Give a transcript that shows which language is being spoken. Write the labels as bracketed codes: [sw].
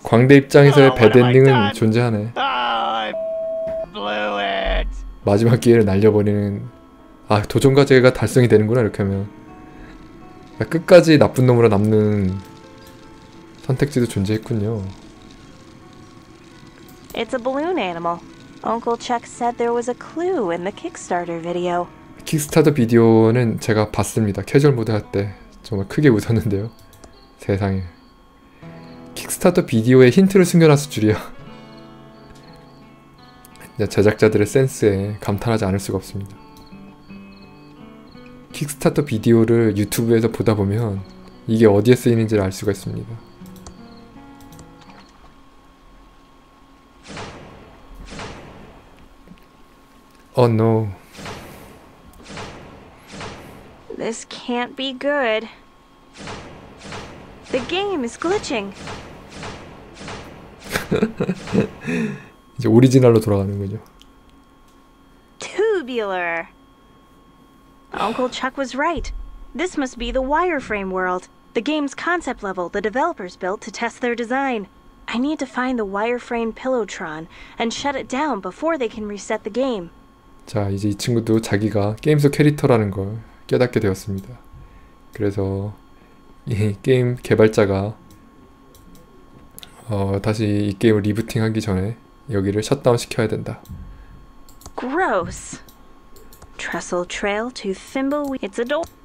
[ko] 광대 입장에서의 배드 엔딩은 존재하네. [en] Blew it. [ko] 마지막 기회를 날려버리는 아 도전 과제가 달성이 되는구나 이렇게 하면 야, 끝까지 나쁜 놈으로 남는 선택지도 존재했군요. [en] It's a balloon animal. Uncle Chuck said there was a clue in the Kickstarter video. [ko] 킥스타터 비디오는 제가 봤습니다. 캐주얼 모드 할 때 정말 크게 웃었는데요. 세상에 킥스타터 비디오에 힌트를 숨겨놨을 줄이야. 제작자들의 센스에 감탄하지 않을 수가 없습니다. 킥스타터 비디오를 유튜브에서 보다 보면 이게 어디에 쓰이는지를 알 수가 있습니다. [en] 어, oh, no. This can't be good. The game is glitching. [ko] 이제 오리지널로 돌아가는군요. [en] Tubular. Uncle Chuck was right. This must be the wireframe world. The game's concept level the developers built to test their design. I need to find the wireframe pillowtron and shut it down before they can reset the game. [ko] 자, 이제 이 친구도 자기가 게임 속 캐릭터라는 걸 깨닫게 되었습니다. 그래서 이 게임 개발자가 다시 이 게임을 리부팅하기 전에 여기를 셧다운 시켜야 된다. [en] Gross. Trestle Trail to Thimbleweed. It's a door.